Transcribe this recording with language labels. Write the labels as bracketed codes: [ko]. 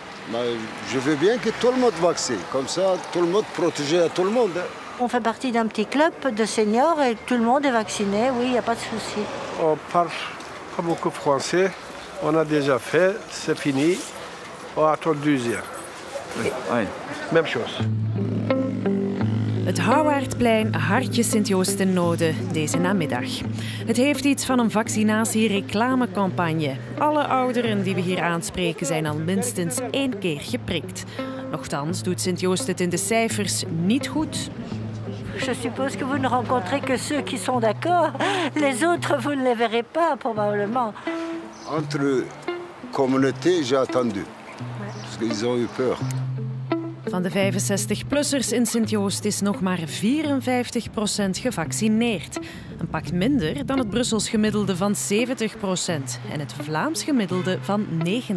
[fr] Maar je veux bien que tout le monde vaccine. Comme ça, tout le monde protège à tout le monde. On fait partie d'un petit club de seniors et tout le monde est vacciné, oui, il n'y a pas de souci. On parle pas beaucoup français, on a déjà fait, c'est fini, on attend le deuxième. Oui. Oui. Même chose. [nl] Het Houwaardplein, hartje Sint-Joost-de-Noden, deze namiddag. Het heeft iets van een vaccinatiereclamecampagne. Alle ouderen die we hier aanspreken zijn al minstens één keer geprikt. Nochtans doet Sint-Joost het in de cijfers niet goed. [fr] Je suppose que vous ne rencontrez que ceux qui sont d'accord. Les autres, vous ne les verrez pas, probablement. Entre communauté, j'ai attendu. Parce qu'ils ont eu peur. [nl] Van de 65-plussers in Sint-Joost is nog maar 54% gevaccineerd. Een pak minder dan het Brussels gemiddelde van 70% en het Vlaams gemiddelde van 90%.